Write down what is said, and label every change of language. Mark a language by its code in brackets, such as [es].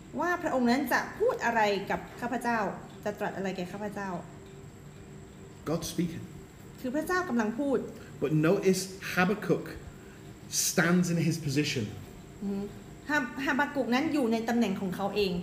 [th] ว่าพระองค์นั้นจะพูดอะไรกับข้าพเจ้าจะตรัสอะไรแก่ข้าพเจ้า [en] God speaking [th] คือพระเจ้ากำลังพูด [en] But notice Habakkuk stands in his position [th] Habakkuk นั้นอยู่ในตำแหน่งของเขาเอง